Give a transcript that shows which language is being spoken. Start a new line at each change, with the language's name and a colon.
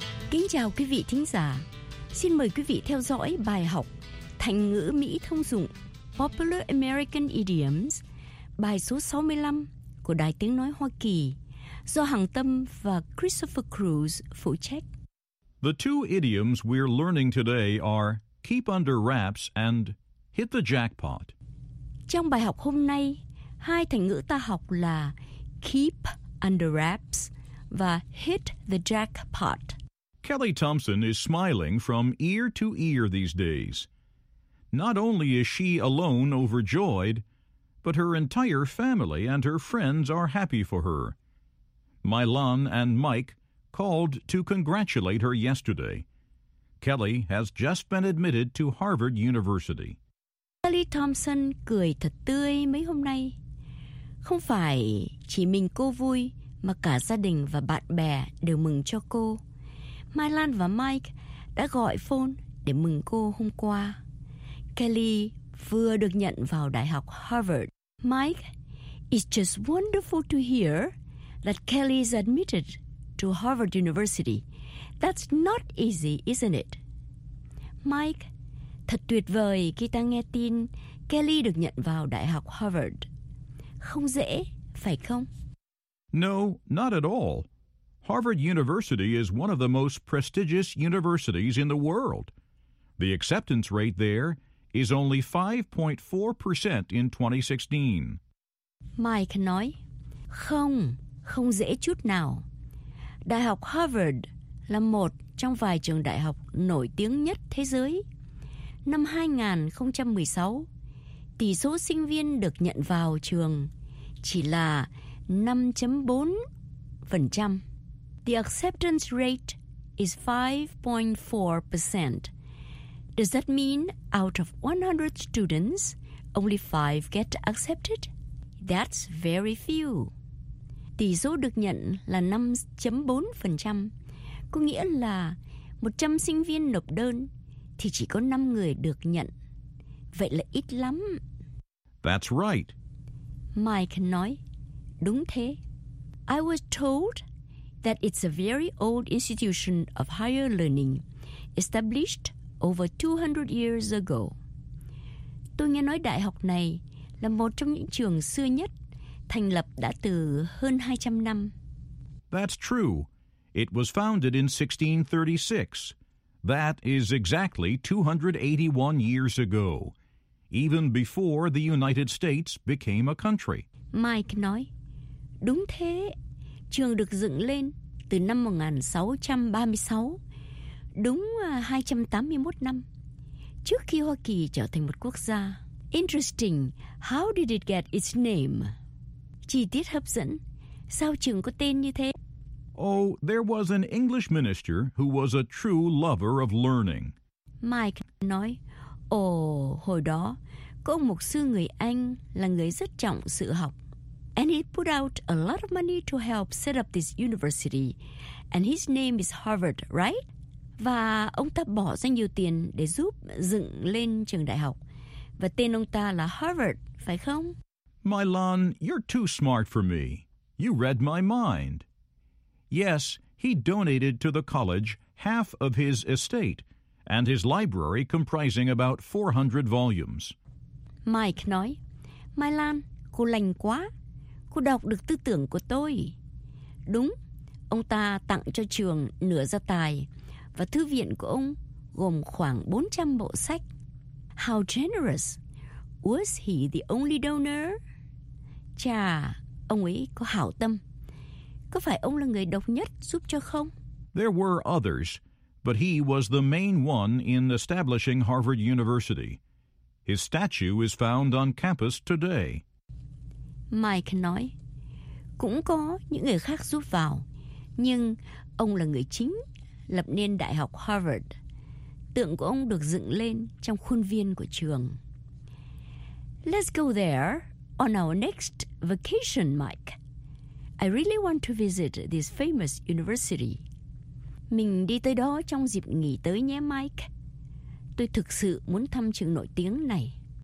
Vietnamese: Kính chào quý vị thính giả. Xin mời quý vị theo dõi bài học thành ngữ Mỹ thông dụng
English: Popular American Idioms,
Vietnamese: bài số 65 của Đài Tiếng Nói Hoa Kỳ, do Hằng Tâm và Christopher Cruz phụ trách.
English: The two idioms we're learning today are keep under wraps and hit the jackpot.
Vietnamese: Trong bài học hôm nay, hai thành ngữ ta học là
English: keep under wraps
Vietnamese: và
English: hit the jackpot. Kelly Thompson is smiling from ear to ear these days. Not only is she alone overjoyed, but her entire family and her friends are happy for her. Mylon and Mike called to congratulate her yesterday. Kelly has just been admitted to Harvard University.
Vietnamese: Kelly Thompson cười thật tươi mấy hôm nay. Không phải chỉ mình cô vui, mà cả gia đình và bạn bè đều mừng cho cô. Mylon và Mike đã gọi phone để mừng cô hôm qua. Kelly vừa được nhận vào Đại học Harvard.
English: Mike, it's just wonderful to hear that Kelly is admitted to Harvard University. That's not easy, isn't it?
Vietnamese: Mike, thật tuyệt vời khi ta nghe tin Kelly được nhận vào Đại học Harvard. Không dễ, phải không?
English: No, not at all. Harvard University is one of the most prestigious universities in the world. The acceptance rate there is only 5.4% in 2016.
Vietnamese: Mike nói, không, không dễ chút nào. Đại học Harvard là một trong vài trường đại học nổi tiếng nhất thế giới. Năm 2016, tỷ số sinh viên được nhận vào trường chỉ là 5.4%.
English: The acceptance rate is 5.4%. Does that mean out of 100 students, only 5 get accepted? That's very few.
Vietnamese: Tỷ số được nhận là 5.4%, có nghĩa là 100 sinh viên nộp đơn thì chỉ có 5 người được nhận. Vậy là ít lắm.
English: That's right.
Vietnamese: Mike nói, đúng thế.
English: I was told that it's a very old institution of higher learning, established over 200 years ago.
Vietnamese: Tôi nghe nói đại học này là một trong những trường xưa nhất, thành lập đã từ hơn 200 năm.
English: That's true. It was founded in 1636. That is exactly 281 years ago, even before the United States became a country.
Vietnamese: Mike nói, đúng thế. Trường được dựng lên từ năm 1636, đúng 281 năm, trước khi Hoa Kỳ trở thành một quốc gia.
English: Interesting, how did it get its name?
Vietnamese: Chi tiết hấp dẫn, sao trường có tên như thế?
English: Oh, there was an English minister who was a true lover of learning.
Vietnamese: Mike nói, hồi đó, có ông mục sư người Anh là người rất trọng sự học.
English: And he put out a lot of money to help set up this university. And his name is Harvard, right?
Vietnamese: Và ông ta bỏ ra nhiều tiền để giúp dựng lên trường đại học. Và tên ông ta là Harvard, phải không?
English: Milan, you're too smart for me. You read my mind. Yes, he donated to the college half of his estate and his library comprising about 400 volumes.
Vietnamese: Mike nói, Milan, cô lành quá. Cô đọc được tư tưởng của tôi. Đúng, ông ta tặng cho trường nửa gia tài và thư viện của ông gồm khoảng 400 bộ sách.
English: How generous! Was he the only donor?
Vietnamese: Chà, ông ấy có hảo tâm. Có phải ông là người độc nhất giúp cho không?
English: There were others, but he was the main one in establishing Harvard University. His statue is found on campus today.
Vietnamese: Mike nói, cũng có những người khác giúp vào, nhưng ông là người chính lập nên Đại học Harvard. Tượng của ông được dựng lên trong khuôn viên của trường.
English: Let's go there on our next vacation, Mike. I really want to visit this famous university.
Vietnamese: Mình đi tới đó trong dịp nghỉ tới nhé, Mike. Tôi thực sự muốn thăm trường nổi tiếng này.